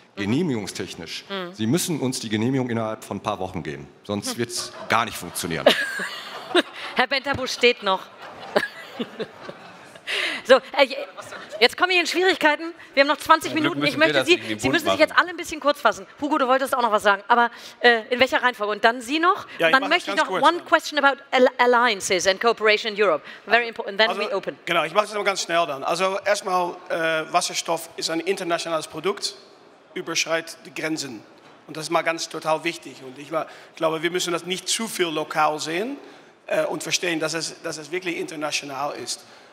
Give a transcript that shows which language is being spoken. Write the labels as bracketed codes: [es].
[de] Genehmigungstechnisch. Sie müssen uns die Genehmigung innerhalb von ein paar Wochen geben, sonst wird es gar nicht funktionieren. Herr Bentabusch steht noch. So, jetzt komme ich in Schwierigkeiten. Wir haben noch 20 Minuten. Ich möchte Sie müssen sich jetzt alle ein bisschen kurz fassen. Hugo, du wolltest auch noch was sagen. Aber in welcher Reihenfolge? Und dann Sie noch. Ja, dann möchte ich noch kurz. [en] One question about alliances and cooperation in Europe. Very important. Then also, we open. [de] Genau, ich mache das aber ganz schnell dann. Also erstmal, Wasserstoff ist ein internationales Produkt, überschreitet die Grenzen. Und das ist mal ganz total wichtig. Und ich glaube, wir müssen das nicht zu viel lokal sehen und verstehen, dass es wirklich international ist.